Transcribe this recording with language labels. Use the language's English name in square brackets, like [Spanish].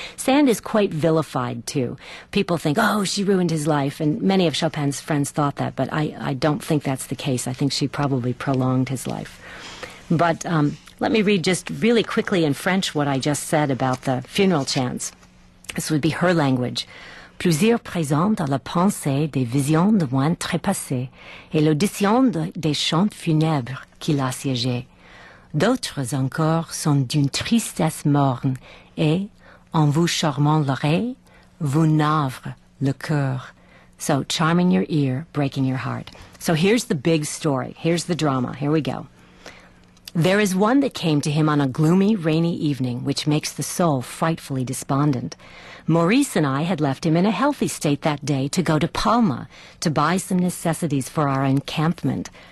[English] Sand is quite vilified, too. People think, oh, she ruined his life, and many of Chopin's friends thought that, but I don't think that's the case. I think she probably prolonged his life. But let me read just really quickly in French what I just said about the funeral chants. This would be her language. [French] Plusieurs présents dans la pensée des visions de moines trépassés et l'audition des chants funèbres qui l'assiégeaient. D'autres encore sont d'une tristesse morne et, en vous charmant l'oreille, vous navre le cœur. [English] So, charming your ear, breaking your heart. So here's the big story. Here's the drama. Here we go. There is one that came to him on a gloomy, rainy evening, which makes the soul frightfully despondent. Maurice and I had left him in a healthy state that day to go to Palma to buy some necessities for our encampment.